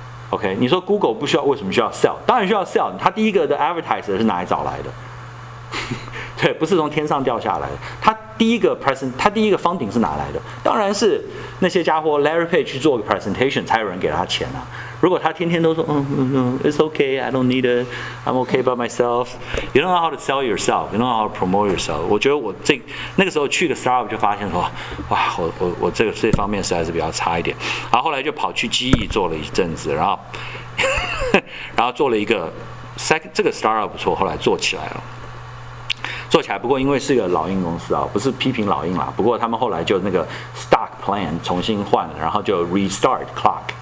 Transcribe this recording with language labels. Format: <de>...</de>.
<zh>OK， 你说 Google 不需要，为什么需要 sell？ 当然需要 sell， 他第一个的 advertiser 是哪里找来的？对，不是从天上掉下来的。他第一个 present， 他第一个 funding 是哪来的？当然是那些家伙 Larry Page 去做个 presentation， 才有人给他钱啊。如果他天天都说</zh> <en>it's okay， I don't need it， I'm okay by myself， you don't know how to sell yourself， you don't know how to promote yourself。</en> <zh>我觉得我这那个时候去个 startup 就发现说，哇，我这个这方面实在是比较差一点。然后后来就跑去 GE 做了一阵子，然后做了一个 second， 这个 startup 不错，后来做起来了。做起来，不过因为是一个老鹰公司啊，不是批评老鹰啦。不过他们后来就那个 stock plan 重新换了，然后就 restart clock。</zh>